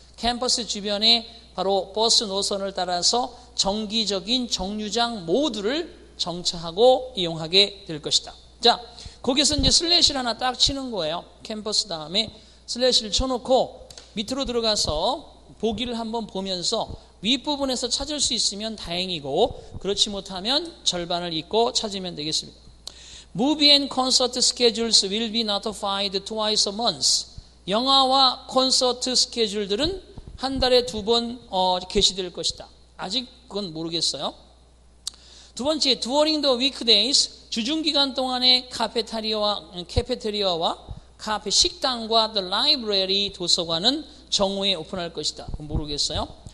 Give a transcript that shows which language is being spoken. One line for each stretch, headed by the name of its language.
Korean: 캠퍼스 주변에 바로 버스 노선을 따라서 정기적인 정류장 모두를 정차하고 이용하게 될 것이다. 자, 거기서 이제 슬래시를 하나 딱 치는 거예요. 캠퍼스 다음에 슬래시를 쳐놓고 밑으로 들어가서 보기를 한번 보면서 윗부분에서 찾을 수 있으면 다행이고 그렇지 못하면 절반을 잊고 찾으면 되겠습니다.
English: Movie and concert schedules will be notified twice a month.
Korean: 영화와 콘서트 스케줄들은 한 달에 두 번 게시될 것이다. 아직 그건 모르겠어요. 두 번째,
English: during the weekdays,
Korean: 주중기간 동안에 카페테리아와 카페 식당과
English: the library
Korean: 도서관은 정오에 오픈할 것이다. 모르겠어요.